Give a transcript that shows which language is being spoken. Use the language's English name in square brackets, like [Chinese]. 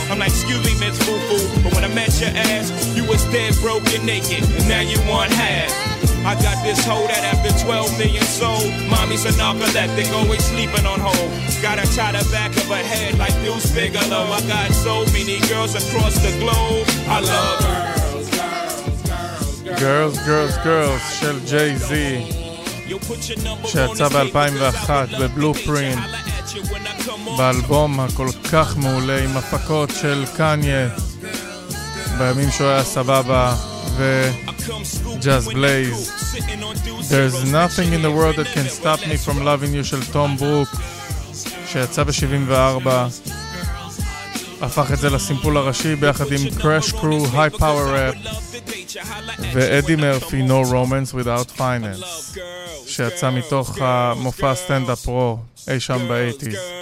[English] I'm like, excuse me, Miss Foo Foo, but when I met your ass, you was dead, broken, naked, and now you want half. I got this hoe that after 12 million sold, mommy's a narcoleptic, always sleeping on hold. Gotta tie the back of her head like Deuce Bigelow. I got so many girls across the globe, I love her. [Hebrew] Girls, girls, girls של ג'יי זי שיצא ב-2001 בבלופרינט, באלבום הכל כך מעולה עם הפקות של קניה בימים שהוא היה סבבה וג'אז בלייז. [English] There's nothing in the world that can stop me from loving you [Hebrew] של טום ברוק שיצא ב-74 הפך את זה לסימפול הראשי ביחד עם Crash Crew, High Power Rap ואדי מרפי, No Romance Without Finance, שיצא מתוך המופע סטנדאפ פרו אי שם ב-80s.